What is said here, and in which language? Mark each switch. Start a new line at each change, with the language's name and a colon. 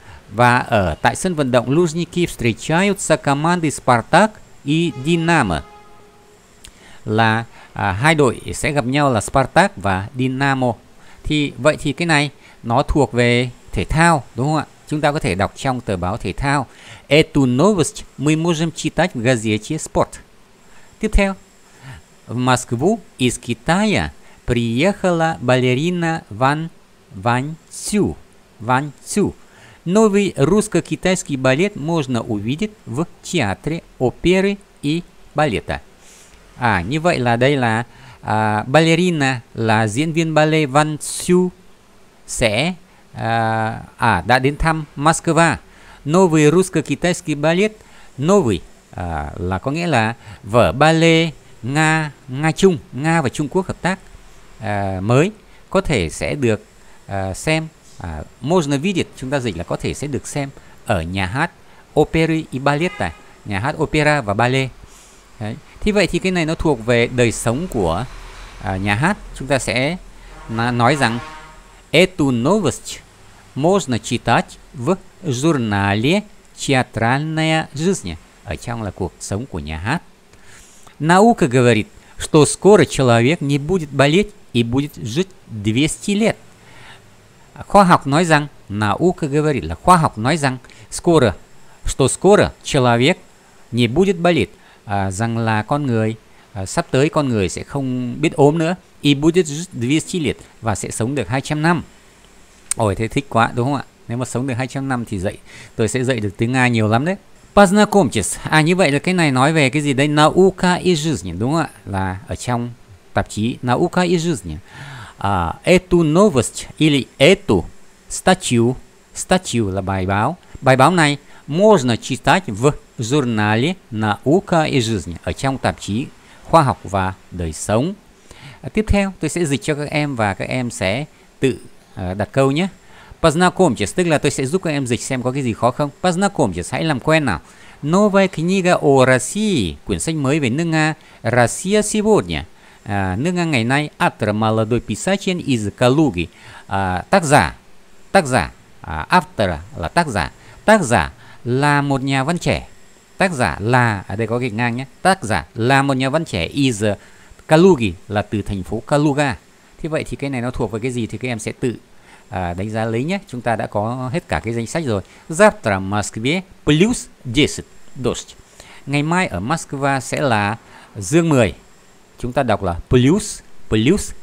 Vietnamese: Và ở tại sân vận động Лужники
Russian: встречаются команды Спартак и Динамо,
Vietnamese: là hai đội sẽ gặp nhau là Spartak và Dinamo. Thì vậy thì cái này nó thuộc về thể thao đúng không ạ? Chúng ta có thể đọc trong tờ báo thể thao.
Russian: Эту новость мы можем читать в газете спорт.
Vietnamese: Tiếp theo,
Russian: в Москву из Китая приехала балерина Ван Цю. Новый русско-китайский балет можно увидеть в театре оперы и балета.
Vietnamese: Như vậy là đây là ballerina, là diễn viên ballet Van Xiu sẽ đã đến thăm Moscow.
Russian: Новый русско-китайский балет.
Vietnamese: Новый là có nghĩa là vở ballet Nga-Trung, Nga và Trung Quốc hợp tác, mới, có thể sẽ được xem.
Russian: Можно видеть,
Vietnamese: chúng ta dịch là có thể sẽ được xem ở nhà hát Opera и Балета, nhà hát opera và ballet. Đấy. Thì vậy thì cái này nó thuộc về đời sống của nhà hát. Chúng ta sẽ nói rằng
Russian: Эту новость можно читать в журнале театральная жизнь.
Vietnamese: Ở trong là cuộc sống của nhà hát.
Russian: Наука говорит, что скоро человек не будет болеть и будет жить 200 лет.
Vietnamese: Khoa học nói rằng,
Russian: наука говорит,
Vietnamese: là khoa học nói rằng,
Russian: скоро, что скоро человек не будет болеть,
Vietnamese: rằng là con người, sắp tới con người sẽ không biết ốm nữa,
Russian: и будет жить 200 лет,
Vietnamese: và sẽ sống được 200 năm. Ôi, thế thích quá, đúng không ạ? Nếu mà sống được 200 năm thì dạy, tôi sẽ dạy được tiếng Nga nhiều lắm đấy.
Russian: Познакомьтесь.
Vietnamese: À như vậy là cái này nói về cái gì đây?
Russian: Наука и жизнь,
Vietnamese: đúng không ạ? Là ở trong tạp chí Наука и жизнь.
Russian: Эту новость или эту статью.
Vietnamese: Статью là bài báo. Bài báo này
Russian: можно читать в журнале Наука и жизнь,
Vietnamese: ở trong tạp chí Khoa học và đời sống. Tiếp theo tôi sẽ dịch cho các em và các em sẽ tự đặt câu nhé. Познакомьтесь, tức là tôi sẽ giúp các em dịch xem có cái gì khó không. Познакомьтесь, hãy làm quen nào.
Russian: Новая книга о России,
Vietnamese: quyển sách mới về nước Nga.
Russian: Россия сегодня,
Vietnamese: nước Nga ngày nay.
Russian: Автор молодой писатель из Калуги,
Vietnamese: tác giả,
Russian: автор
Vietnamese: là tác giả. Tác giả là một nhà văn trẻ. Tác giả là, ở đây có gạch ngang nhé. Tác giả là một nhà văn trẻ is Калуги, là từ thành phố Калуга. Thế vậy thì cái này nó thuộc vào cái gì thì các em sẽ tự đánh giá lấy nhé. Chúng ta đã có hết cả cái danh sách rồi.
Russian: Завтра в Москве плюс 10 дождь.
Vietnamese: Ngày mai ở Moscow sẽ là dương 10. Chúng ta đọc là плюс 10.